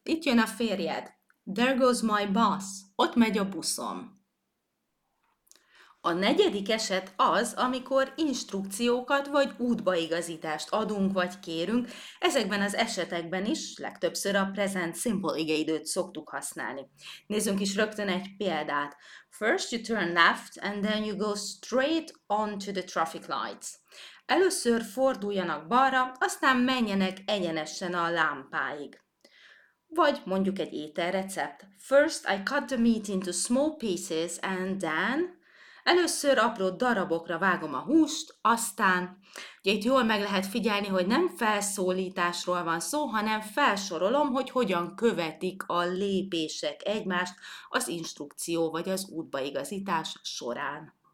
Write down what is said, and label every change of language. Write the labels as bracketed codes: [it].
[hu] Itt jön a férjed. [en] There goes my bus. [hu] Ott megy a buszom. A negyedik eset az, amikor instrukciókat vagy útbaigazítást adunk vagy kérünk. Ezekben az esetekben is legtöbbször a present simple igeidőt szoktuk használni. Nézzünk is rögtön egy példát. [en] First you turn left and then you go straight on to the traffic lights. [hu] Először forduljanak balra, aztán menjenek egyenesen a lámpáig. Vagy mondjuk egy ételrecept. [en] First I cut the meat into small pieces and then... [hu] Először apró darabokra vágom a húst, aztán, ugye itt jól meg lehet figyelni, hogy nem felszólításról van szó, hanem felsorolom, hogy hogyan követik a lépések egymást az instrukció vagy az útbaigazítás során.